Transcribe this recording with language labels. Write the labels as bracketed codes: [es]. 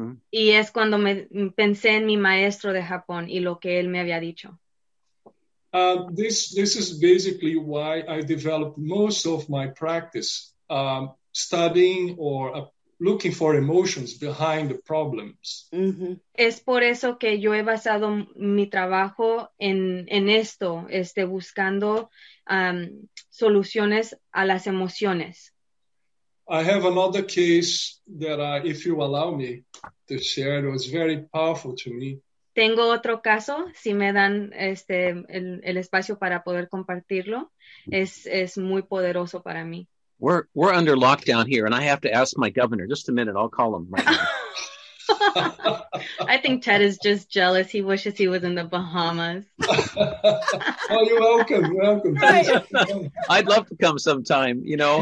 [es] Y es cuando me pensé en mi maestro de Japón y lo que él me había dicho. [en] This is basically why I developed most of my practice, studying or looking for emotions behind the problems. [es] Es por eso que yo he basado mi trabajo en esto, buscando soluciones a las emociones. [en] I have another case that I, if you allow me to share, it was very powerful to me. [es] Tengo otro caso, si me dan el espacio para poder compartirlo, es muy poderoso para mí. [en] We're under lockdown here, and I have to ask my governor. Just a minute, I'll call him right now. I think Ted is just jealous. He wishes he was in the Bahamas. Oh, you're welcome. You're welcome. Right. I'd love to come sometime, you know.